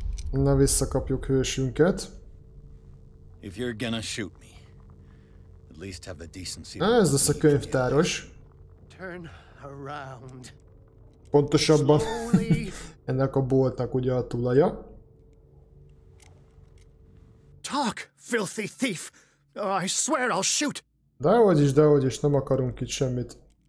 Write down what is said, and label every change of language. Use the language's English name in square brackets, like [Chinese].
[Hungarian] Na, visszakapjuk hősünket. [English] If you're gonna shoot me, at least have the decency. [Hungarian] Na, ez lesz a könyvtáros. [English] Turn around. [Hungarian] Pontosabban ennek a boltnak ugye a tulaja. [English] Talk, filthy thief! I swear I'll shoot! [Hungarian] Dehogyis, nem akarunk itt semmit.